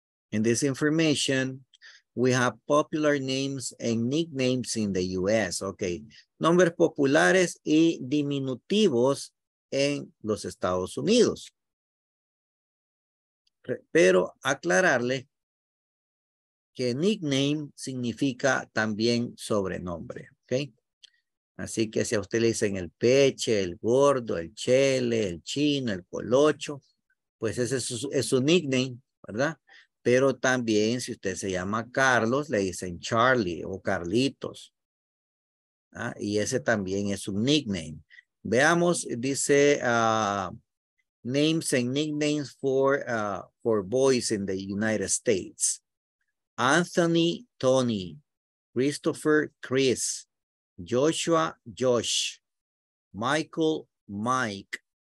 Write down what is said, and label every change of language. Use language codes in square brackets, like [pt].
[en] In this information, we have popular names and nicknames in the U.S. Okay. [es] Nombres populares y diminutivos en los Estados Unidos. Pero aclararle que nickname significa también sobrenombre. Okay. Así que si a usted le dicen el Peche, el Gordo, el Chele, el Chino, el Colocho, pues ese es su nickname, ¿verdad? Pero también si usted se llama Carlos, le dicen Charlie o Carlitos. ¿Ah? Y ese también es un nickname. Veamos, dice [en] names and nicknames for boys in the United States. Anthony, Tony. Christopher, Chris. Joshua, Josh. Michael, Mike.